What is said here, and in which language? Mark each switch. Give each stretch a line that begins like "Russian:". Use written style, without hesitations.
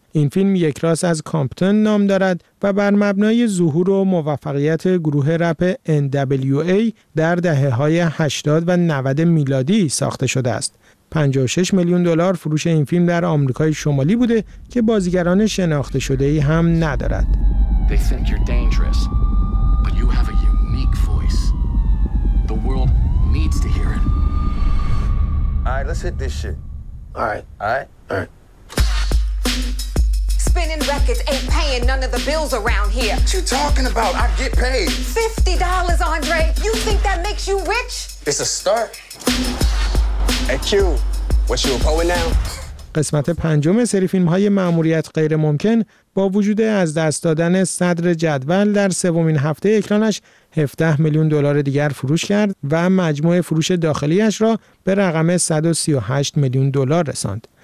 Persian: این فیلم یک راست از کامپتون نام دارد و بر مبنای ظهور و موفقیت گروه رپ NWA در دهه‌های 80 و 90 میلادی ساخته شده است. 56 میلیون دلار فروش این فیلم در آمریکای شمالی بوده که بازیگران شناخته شده ای هم ندارد.
English: They think you're dangerous, but you have a unique voice. The world needs to hear it. All right, let's hit this shit. All right. Spinning records ain't paying none of the bills around here. What you talking about? I get paid. $50, Andre. You think that makes you rich? It's a start. Hey Q, what's your poet now?
Persian: قسمت پنجم سری فیلم‌های مأموریت غیر ممکن با وجود از دست دادن صدر جدول در سومین هفته اکرانش 17 میلیون دلار دیگر فروش کرد و مجموع فروش داخلیش را به رقم 138 میلیون دلار رساند.